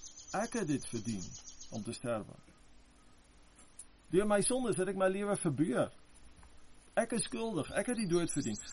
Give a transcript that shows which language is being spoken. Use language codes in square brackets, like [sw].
[af] Ek het dit verdien om te sterven. [nl] Door mijn zonde heb ik mijn leven verbeur. [af] Ek is schuldig, ek het die dood verdien.